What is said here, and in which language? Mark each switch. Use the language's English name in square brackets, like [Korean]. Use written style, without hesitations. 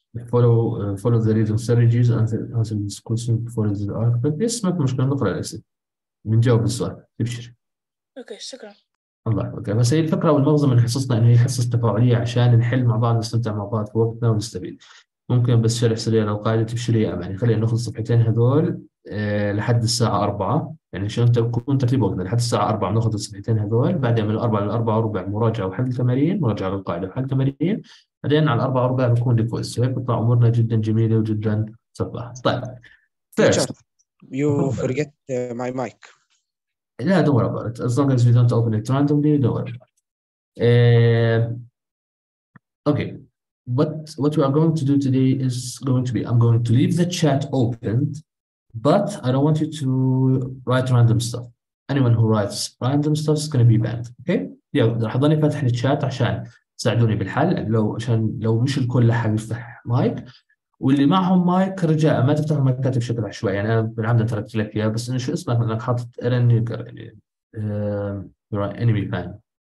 [English] follow the reading strategies and answer this question before the arc. But yes, [Arabic] ما في مشكلة، نقرأ الأسئلة بنجاوب السؤال، تبشر. اوكي شكرا. الله يحفظك. بس هي الفكرة والمغزى من حصصنا إن هي حصص تفاعلية عشان نحل مع بعض، نستمتع مع بعض في وقتنا ونستفيد. ممكن بس شرح سريع للقاعدة، تبشري يا أماني، خلينا ناخذ الصفحتين هذول لحد الساعة 4، يعني عشان تكون ترتيب وقتنا لحد الساعة 4 بناخذ الصفحتين هذول، بعدين من 4 ل 4 وربع مراجعة وحل التمارين، مراجعة للقاعدة وحل التمارين، بعدين على 4 وربع بكون ديفويس، هيك بتطلع امورنا جدا جميله وجدا صفحه. طيب [English] Teacher, first you [Arabic] تفضل. [English] forget my mic. لا door apart, as long as we don't open it randomly door apart. Okay, what we are going to do today is going to be I'm going to leave the chat open but I don't want you to write random stuff. Anyone who writes random stuff is going to be banned. [Arabic] اوكي؟ يلا رح اضلني فاتح الشات عشان ساعدوني بالحل، لو عشان لو مش الكل حاب يفتح مايك، واللي معهم مايك رجاء ما تفتح المايكات بشكل عشوائي، يعني انا بالعمد تركت لك اياه، بس انه شو اسمك انك حاطط ايرن نيجر، يعني انمي فان.